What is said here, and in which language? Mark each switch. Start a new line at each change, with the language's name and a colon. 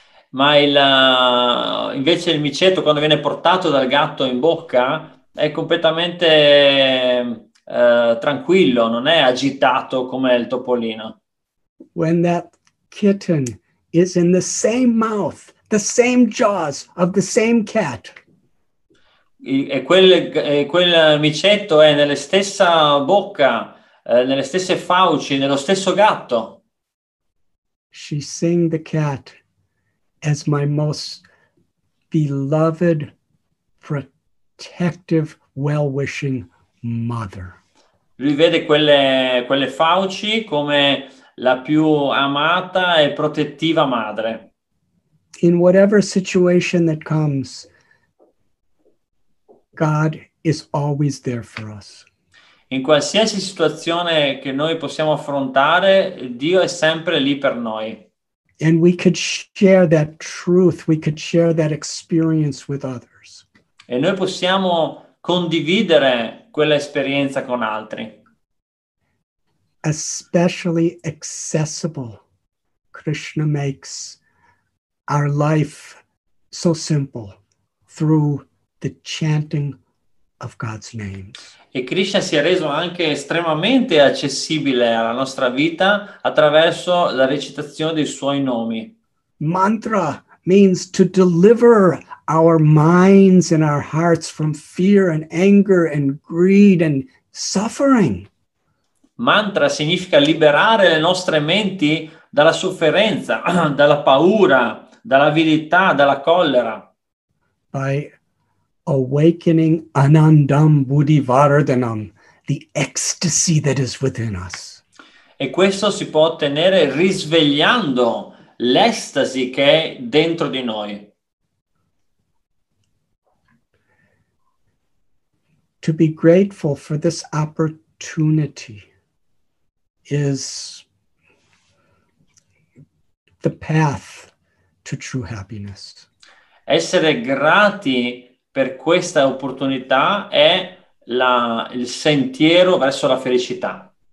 Italian: Ma invece il micetto, quando viene portato dal gatto in bocca, è completamente tranquillo, non è agitato come il topolino.
English: When that kitten is in the same mouth, the same jaws of the same cat.
Italian: E quel micetto è nella stessa bocca, nelle stesse fauci, nello stesso gatto.
English: She sings the cat as my most beloved, protective, well-wishing mother.
Italian: Lui vede quelle fauci come la più amata e protettiva madre.
English: In whatever situation that comes, God is always there for us.
Italian: In qualsiasi situazione che noi possiamo affrontare, Dio è sempre lì per noi.
English: And we could share that truth, we could share that experience with others.
Italian: E noi possiamo condividere quella esperienza con altri.
English: Especially accessible, Krishna makes our life so simple through the chanting of God's name.
Italian: E Krishna si è reso anche estremamente accessibile alla nostra vita attraverso la recitazione dei suoi nomi.
English: Mantra means to deliver our minds and our hearts from fear and anger and greed and suffering.
Italian: Mantra significa liberare le nostre menti dalla sofferenza, dalla paura, dall'avidità, dalla collera.
English: By awakening anandam buddhivardhanam, the ecstasy that is within us.
Italian: E questo si può ottenere risvegliando l'estasi che è dentro di noi.
English: To be grateful for this opportunity is the path to true happiness.
Italian: Essere grati per questa opportunità è il sentiero verso la felicità.